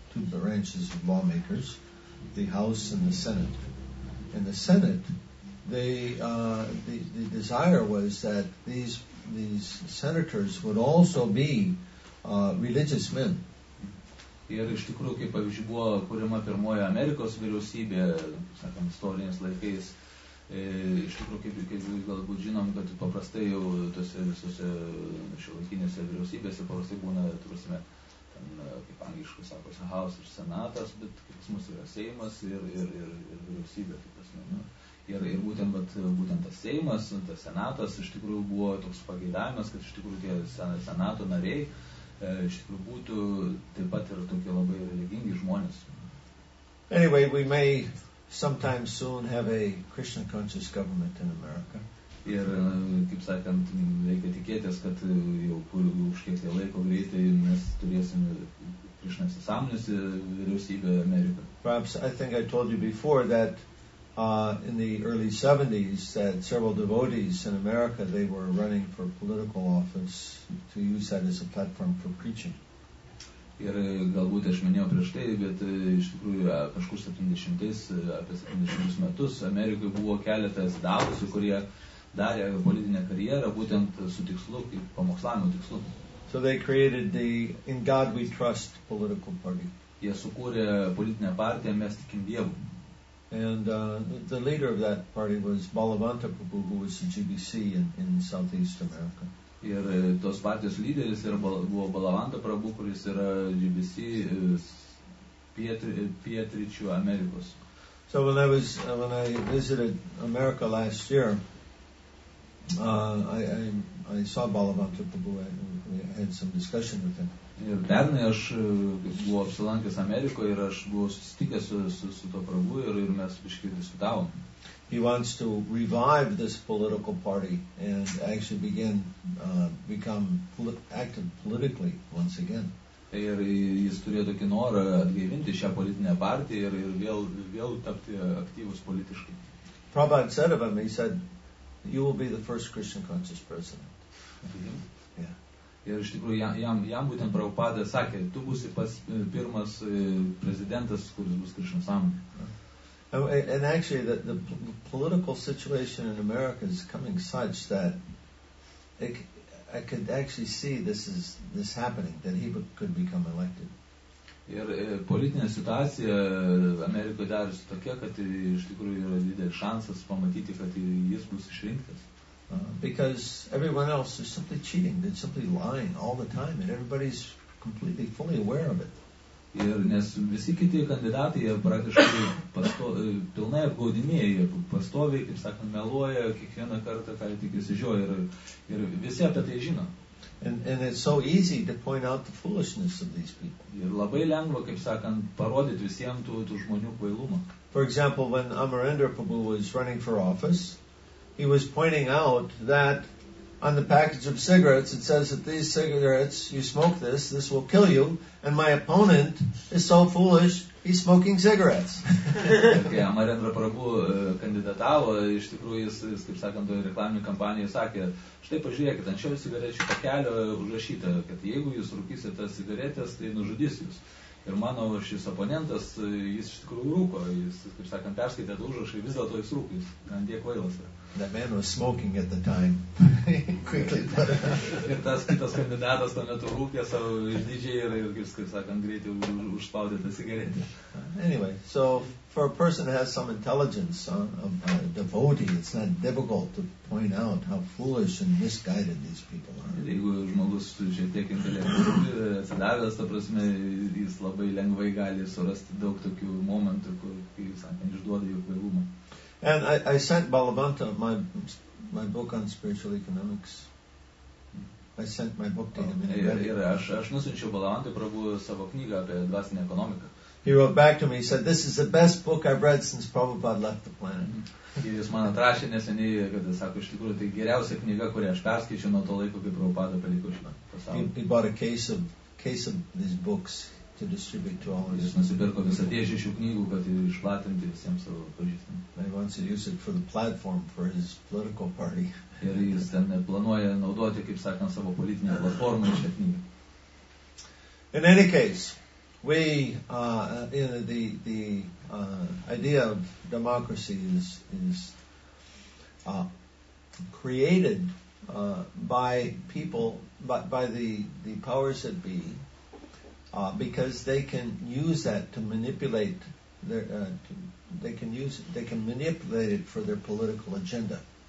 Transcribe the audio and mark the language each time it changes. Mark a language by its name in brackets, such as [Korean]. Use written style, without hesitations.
[English] Two branches of lawmakers, the House and the Senate. In the Senate, the desire was that these senators would also be religious men. [Lithuanian] Ir iš tikrųjų, kaip pavyzdžiui, buvo kuriama pirmoji Amerikos vyriausybė, sakant, istoriniais laikais, iš tikrųjų, kaip galbūt žinom, kad paprastai jau tose visose šiuolaikinėse vyriausybėse paprastai būna, turėsime, ten, kaip angliškai sakosi, House ir Senatas, bet kaip mus yra Seimas ir vyriausybė, kaip asmeniu. Ir būtent tas Seimas, tas Senatas, iš tikrųjų buvo toks pageidavimas, kad iš tikrųjų tie Senato nariai, iš tikrųjų būtų taip pat yra tokie labai religingi žmonės. [English] Anyway, we may sometime soon have a Krishna conscious government in America. [Lithuanian] Ir, kaip sakant, reikia tikėtis, kad jau kurių už kiek tai laiko greitai mes turėsim Krishna įsisąmonusi vyriausybę Ameriką. [English] Perhaps I think I told you before that in the early 70s that several devotees in America, they were running for political office to use that as a platform for preaching. [Lithuanian] Ir galbūt aš minėjau prieš tai, bet iš tikrųjų kažkur 70-ais, apie 70-ais metus Amerikoje buvo keletas davusių, kurie darė politinę karjerą būtent su tikslu, kaip pamokslavimo tikslu. [English] So they created the In God We Trust political party. [Lithuanian] Jie sukūrė politinę partiją Mes Tikim Dievu. [English] And the leader of that party was Balavanta Prabhu, who was the GBC in Southeast America. [Lithuanian] Ir tos partijos lyderis buvo Balavanta Prabhu, kuris yra GBC pietryčių Amerikos. [English] So when I visited America last year, I saw Balavanta Prabhu and we had some discussion with him. [Lithuanian] Ir pernai aš buvau apsilankęs Amerikoje ir aš buvau susitikęs su to Prabhu ir mes biškai diskutavom. [English] He wants to revive this political party and actually begin become active politically once again. [Lithuanian] Ir jis turėjo tokį norą atgaivinti šią politinę partiją ir vėl tapti aktyvus politiškai. [English] Prabhupada said of him, he said, you will be the first Christian conscious president. [Lithuanian] Ir iš tikrųjų jam būtent Prabhupada sakė, tu būsi pats pirmas prezidentas, kuris bus Krishna sąmonė. [English] And actually the political situation in America is coming such that I could actually see this happening, that he could become elected. [Lithuanian] Ir politinė situacija Amerikoje darosi tokia, kad iš tikrųjų yra didelis šansas pamatyti, kad jis bus išrinktas. [English] Because everyone else is simply cheating, they're simply lying all the time, and everybody's completely fully aware of it. [Lithuanian] Ir nes visi kiti kandidatai jie praktiškai pilnai apgaudinėja, jie pastoviai, kaip sakant, meluoja kiekvieną kartą, ką tik įsižiūrėjo, ir visi apie tai žino. [English] And it's so easy to point out the foolishness of these people. [Lithuanian] Ir labai lengva, kaip sakant, parodyti visiems tų žmonių kvailumą. [English] For example, when Amarendra Prabhu was running for office, he was pointing out that on the package of cigarettes, it says that these cigarettes, you smoke this will kill you, and my opponent is so foolish, he's smoking cigarettes. [Lithuanian] Okay, Amarendra Prabhu kandidatavo, iš tikrųjų jis kaip sakant, toje reklaminėje kampanijoje sakė, štai pažiūrėkit, anksčiau cigarečių pakelio užrašyta, kad jeigu jūs rūkysite tas cigaretės, tai nužudys jūs. Ir mano šis oponentas, jis iš tikrųjų rūko, jis, kaip sakant, perskaitė tą užrašą, vis dėlto jis rūko, jis ant tiek kvailas yra. [English] That man was smoking at the time. Quickly. [Lithuanian] Ir tas kitas kandidatas tuo metu rūkė savo išdidžiai ir, kaip sakant, greitai užspaudė tą cigaretę. [English] Anyway, so for a person that has some intelligence of devotee, it's not difficult to point out how foolish and misguided these people are. [Lithuanian] Jeigu žmogus šiek tiek intelektualiai atsidavęs, ta prasme, jis labai lengvai gali surasti daug tokių momentų, kur, kaip sakant, išduoda jų kvailumą. [English] And I sent Balabhanta my book on spiritual economics. I sent my book to him. [Lithuanian] Aš nusiunčiau Balabhantai Prabhu savo knygą apie dvasinę ekonomiką. [English] He wrote back to me, he said, this is the best book I've read since Prabhupada left the planet. [Lithuanian] Jis man atrašė neseniai, kad jis sako, iš tikrųjų, tai geriausia knyga, kurią aš perskaičiau nuo to laiko, kai Prabhupada paliko šitą pasaulį. [English] He bought a case of these books to distribute to all of us. [Lithuanian] Jis nusipirko visą dėžę šių knygų, kad išplatinti visiems savo pažįstamiems. [English] He wants to use it for the platform for his political party. [Lithuanian] Ir jis ten planuoja naudoti, kaip sakant, savo politinę platformą šią knygą. [English] In any case, the idea of democracy is created by the powers that be, because they can use that to manipulate it for their political agenda.